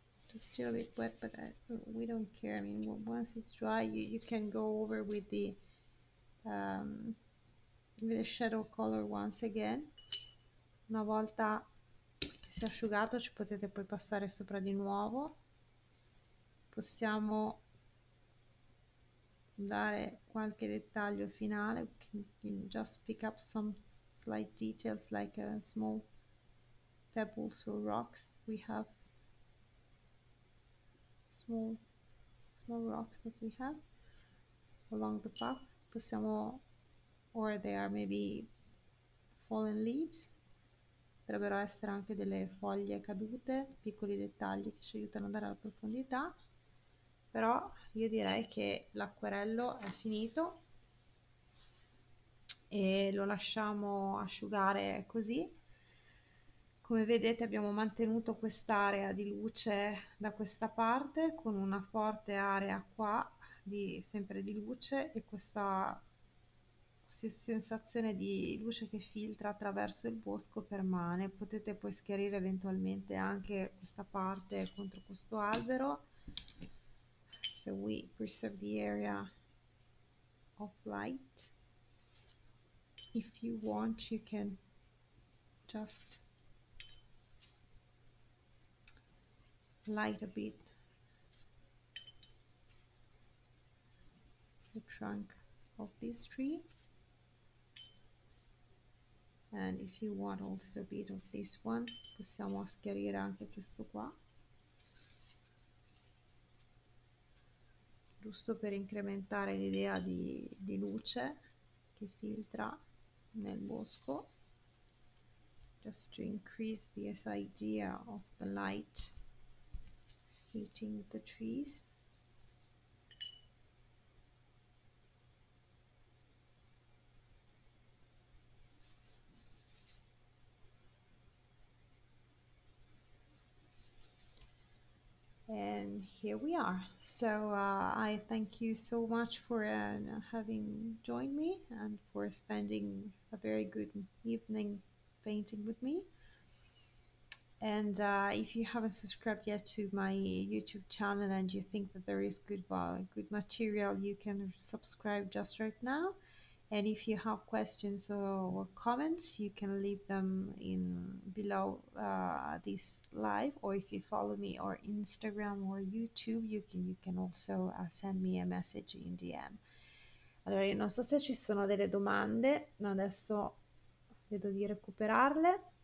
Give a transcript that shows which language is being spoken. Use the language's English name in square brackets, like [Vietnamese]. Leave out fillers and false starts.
[English] Just still a bit wet, but we don't care. I mean, once it's dry, you can go over with the shadow color once again. [Italian] Una volta che si è asciugato, ci potete poi passare sopra di nuovo. Possiamo dare qualche dettaglio finale. [English] You can just pick up some slight details like small pebbles or rocks. We have small rocks that we have along the path. [Italian] Possiamo, [English] or they are maybe fallen leaves. [Italian] Potrebbero essere anche delle foglie cadute, piccoli dettagli che ci aiutano a dare la profondità. Però io direi che l'acquerello è finito e lo lasciamo asciugare così. Come vedete, abbiamo mantenuto quest'area di luce da questa parte con una forte area qua di sempre di luce e questa sensazione di luce che filtra attraverso il bosco permane. Potete poi schiarire eventualmente anche questa parte contro questo albero. [English] So we preserve the area of light. If you want, you can just light a bit the trunk of this tree. And if you want also a bit of this one, [Italian] possiamo schiarire anche questo qua. Giusto per incrementare l'idea di luce che filtra nel bosco. [English] Just to increase this idea of the light hitting the trees. And here we are. So I thank you so much for having joined me and for spending a very good evening painting with me. And if you haven't subscribed yet to my YouTube channel and you think that there is good material, you can subscribe just right now. And if you have questions or comments, you can leave them in below this live, or if you follow me on Instagram or YouTube, you can also send me a message in DM. [Italian] Allora, io non so se ci sono delle domande, ma adesso vedo di recuperarle.